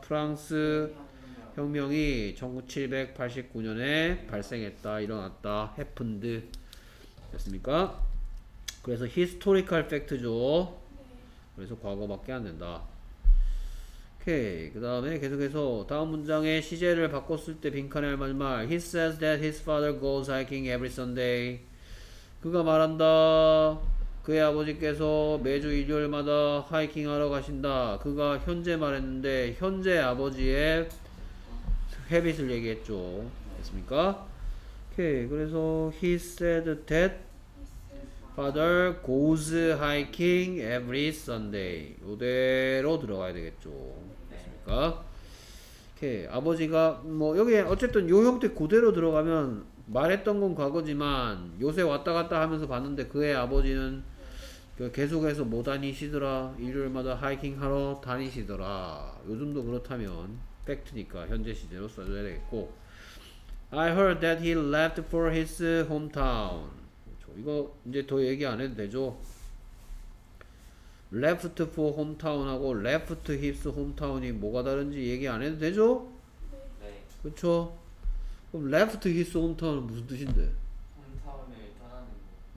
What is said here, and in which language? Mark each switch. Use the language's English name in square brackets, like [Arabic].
[Korean] 프랑스 혁명이 1789년에 발생했다, 일어났다, happened 됐습니까? 그래서 historical fact죠. 그래서 과거밖에 안 된다. 오케이, 그 다음에 계속해서 다음 문장에 시제를 바꿨을 때 빈칸에 할 마지막 말. [English] He says that his father goes hiking every Sunday. [Korean] 그가 말한다. 그의 아버지께서 매주 일요일마다 하이킹하러 가신다. 그가 현재 말했는데 현재 아버지의 habit을 얘기했죠. 됐습니까? 오케이, 그래서 [English] he said that Father goes hiking every Sunday. [Korean] 이대로 들어가야 되겠죠. 됐습니까? 오케이. 아버지가 뭐 여기 어쨌든 요 형태 그대로 들어가면 말했던 건 과거지만 요새 왔다 갔다 하면서 봤는데 그의 아버지는 계속해서 뭐 다니시더라? 일요일마다 하이킹 하러 다니시더라. 요즘도 그렇다면 팩트니까 현재 시제로 써줘야 되겠고. [English] I heard that he left for his hometown. [Korean] 이거 이제 더 얘기 안 해도 되죠. left for hometown 하고 left his hometown이 뭐가 다른지 얘기 안 해도 되죠? 네. 그렇죠? 그럼 left his hometown은 무슨 뜻인데? hometown을 떠나는 거.